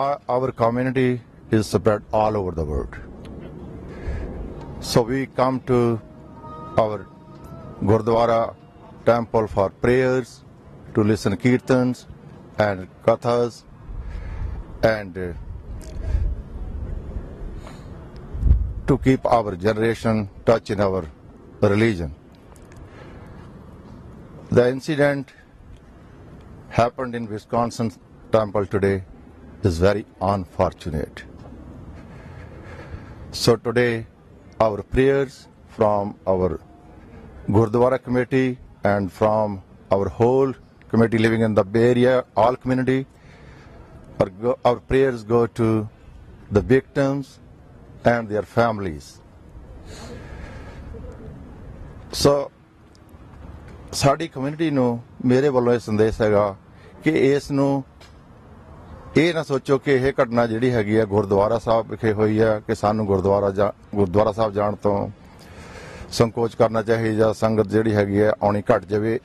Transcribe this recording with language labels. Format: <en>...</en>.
<en>Our community is spread all over the world, so we come to our gurdwara temple for prayers, to listen kirtans and kathas and to keep our generation touch in our religion. The incident happened in Wisconsin temple today is very unfortunate. So today our prayers from our Gurdwara committee and from our whole committee living in the Bay Area, all community, our prayers go to the victims and their families.</en> <pa>So ਸਾਡੀ community ਨੂੰ ਮੇਰੇ ਵੱਲੋਂ ਇਹ ਸੰਦੇਸ਼ ਹੈਗਾ ਕਿ ਇਸ ਨੂੰ ਇਹ ਨਾ ਸੋਚੋ ਕਿ ਇਹ ਘਟਨਾ ਜਿਹੜੀ ਹੈਗੀ ਹੈ ਗੁਰਦੁਆਰਾ ਸਾਹਿਬ ਵਿਖੇ ਹੋਈ ਹੈ ਕਿ ਸਾਨੂੰ ਗੁਰਦੁਆਰਾ ਸਾਹਿਬ ਜਾਣ ਤੋਂ ਸੰਕੋਚ ਕਰਨਾ ਚਾਹੀਦਾ, ਸੰਗਤ ਜਿਹੜੀ ਹੈਗੀ ਹੈ ਆਉਣੀ ਘੱਟ ਜਾਵੇ।</pa>